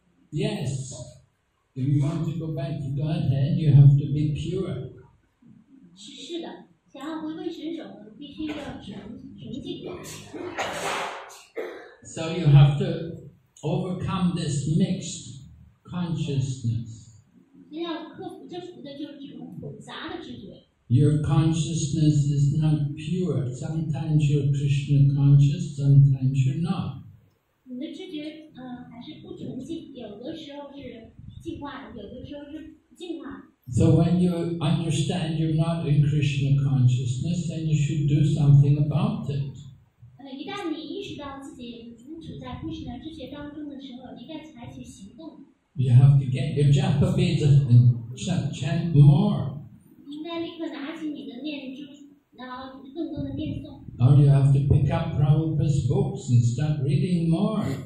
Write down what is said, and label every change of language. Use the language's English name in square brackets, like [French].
[English] Yes, if you want to go back to Godhead, you have to be pure. [Chinese] 是的，想要回归神手，必须要纯净。 [English] So you have to overcome this mixed consciousness. [Chinese] 要克服这福的就是这种混杂的智慧。 [English] Your consciousness is not pure. Sometimes you're Krishna conscious, sometimes you're not. [Chinese] 你的知觉，还是不纯净，有的时候是净化的，有的时候是不净化的。 [English] So when you understand you're not in Krishna consciousness, then you should do something about it. [Chinese] 一旦你意识到自己不处在 Krishna 知觉当中的时候，你该采取行动。 [English] You have to get your japa beads and chant more. [Chinese] 应该立刻拿起你的念珠，然后更多的念诵。 [English] Or you have to pick up Prabhupada's books and start reading more.